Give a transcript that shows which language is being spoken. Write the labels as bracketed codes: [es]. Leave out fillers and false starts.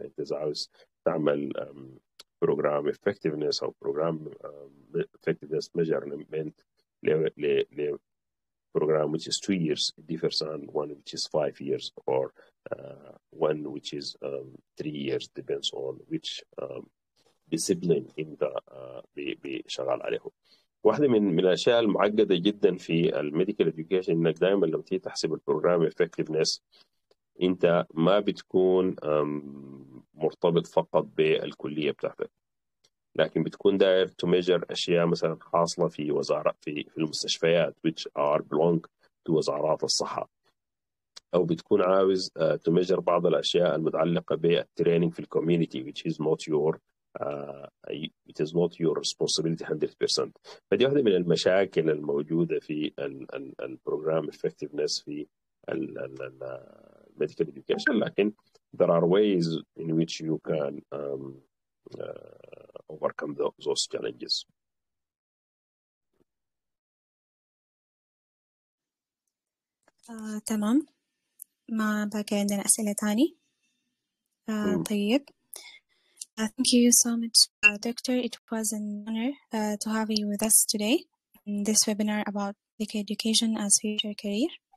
[ar] انت اذا عاوز تعمل [en] program effectiveness او program effectiveness measurement ل program which is 2 years differs on one which is 5 years or one which is 3 years depends on which discipline in the [ar] بيشغل عليه. واحدة من الأشياء المعقدة جدا في الميديكال education إنك دائما لما تيجي تحسب البروجرام effectiveness أنت ما بتكون مرتبط فقط بالكلية بتاعتك، لكن بتكون داير تو ميجر اشياء مثلا حاصله في وزاره في المستشفيات [en] which are belong to [ar] وزارات الصحه، او بتكون عاوز تو ميجر بعض الاشياء المتعلقه بالتريننج في الكوميونتي [en] which is not your it is not your responsibility 100%. [ar] فدي واحده من المشاكل الموجوده في البروجرام افكتفنس في الميديكال اديوكيشن، لكن [en] there are ways in which you can overcome those challenges. [ar] تمام. ما باقي عندنا أسئلة تاني. طيب. [en] Thank you so much, Doctor. It was an honor to have you with us today in this webinar about education as future career.